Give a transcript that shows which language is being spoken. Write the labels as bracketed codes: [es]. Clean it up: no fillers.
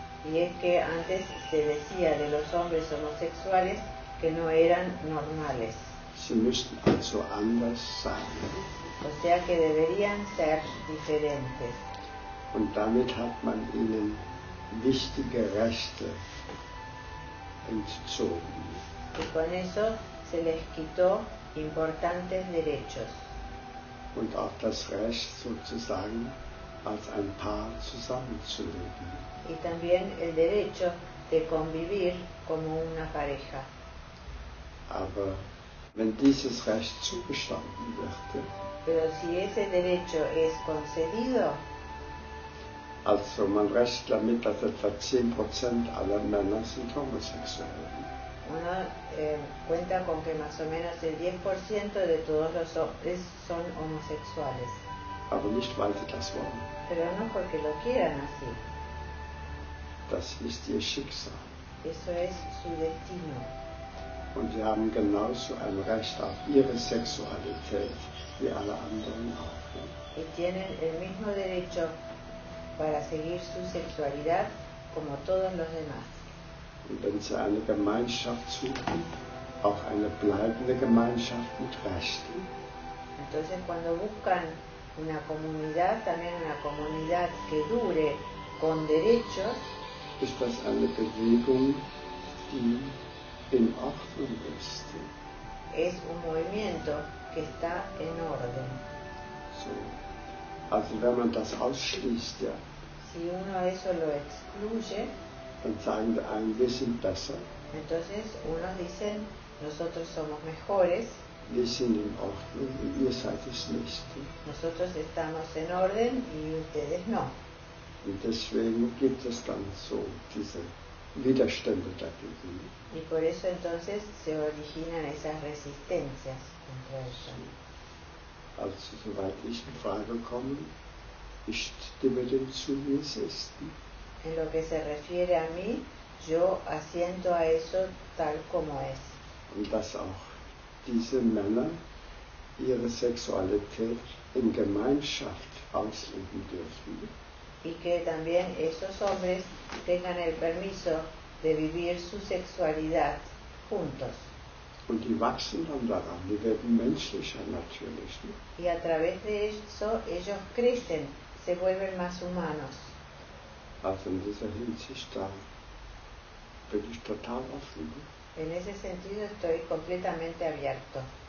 [es] Y es que antes se decía de los hombres homosexuales que no eran normales. [de] Sie müssten also anders sein. [es] O sea que deberían ser diferentes. [de] Und damit hat man ihnen wichtige Rechte entzogen. [es] Y con eso se les quitó importantes derechos. [de] Und auch das Recht sozusagen als ein Paar zusammenzuleben. [es] Y también el derecho de convivir como una pareja. [de] Aber wenn dieses Recht zugestanden wird, [es] pero si ese derecho es concedido, [de] also man rechnet damit, dass etwa 10% aller Männer sind homosexuell. [es] Uno cuenta con que más o menos el 10% de todos los hombres son homosexuales. [de] Aber nicht, weil sie das wollen. [es] Pero no porque lo quieran así. [de] Das ist ihr Schicksal. [es] Eso es su destino. [de] Und sie haben genauso ein Recht auf ihre Sexualität wie alle anderen auch. [es] Y tienen el mismo derecho para seguir su sexualidad como todos los demás. [de] Und wenn sie eine Gemeinschaft suchen, auch eine bleibende Gemeinschaft mit Rechten. [es] Entonces cuando buscan una comunidad, también una comunidad que dure con derechos, [de] ist das eine Bewegung, die in Ordnung ist. [es] Es un movimiento que está en orden. [de] So. Also wenn man das ausschließt, ja. [es] Si uno eso lo excluye, [de] dann sagen wir einen, wir sind besser. [es] Entonces, unos dicen, nosotros somos mejores. [de] Wir sind in Ordnung und ihr seid es nicht. [es] Nosotros estamos en orden y ustedes no. [de] Und deswegen gibt es dann so diese Widerstände dagegen. [es] Y por eso entonces se originan esas resistencias contra eso. [de] Also, soweit ich in Frage komme, ich stimme dem zu, wie es ist. [es] En lo que se refiere a mí, yo asiento a eso tal como es. [de] Und dass auch diese Männer ihre Sexualität in Gemeinschaft ausleben dürfen. [es] Y que también esos hombres tengan el permiso de vivir su sexualidad juntos. [de] Und die wachsen dann daran, die werden menschlicher natürlich. Ne? [es] Y a través de eso ellos crecen, se vuelven más humanos. [de] Also in dieser Hinsicht, da bin ich total offen. Ne? [es] En ese sentido estoy completamente abierto.